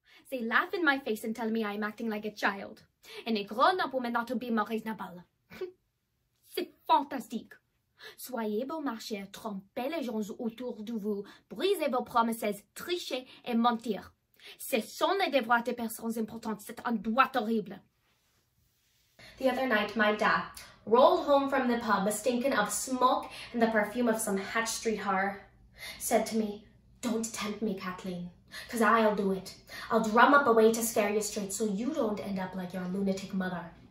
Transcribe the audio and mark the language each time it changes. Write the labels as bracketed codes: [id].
[en] They laugh in my face and tell me I'm acting like a child. And a grown-up woman ought to be more reasonable. [fr] C'est fantastique. Soyez beau marché, trompez les gens autour de vous, brisez vos promesses, trichez et mentir. Ce sont les devoirs des personnes importantes, c'est un droit horrible. [en] The other night, my dad rolled home from the pub stinking of smoke and the perfume of some Hatch Street horror. Said to me, "Don't tempt me, Kathleen, because I'll do it. I'll drum up a way to scare you straight so you don't end up like your lunatic mother."